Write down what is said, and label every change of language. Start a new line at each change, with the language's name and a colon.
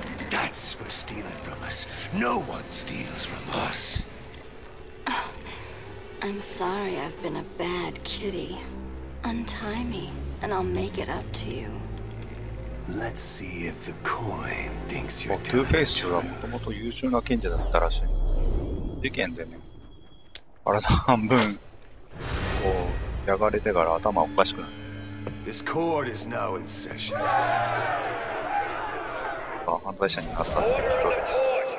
English: That's for stealing from us. No one steals from us. Oh, I'm sorry I've been a bad kitty. Untie me, and I'll make it up to you. Let's see if the coin thinks you're telling the truth.
Japanese: Two-Face はもともと優秀な賢者だったらしい。事件でね、体半分こう焼かれてから頭おかしくなる。
English: This court is now in session.
Japanese: あ、犯罪者に勝った人です。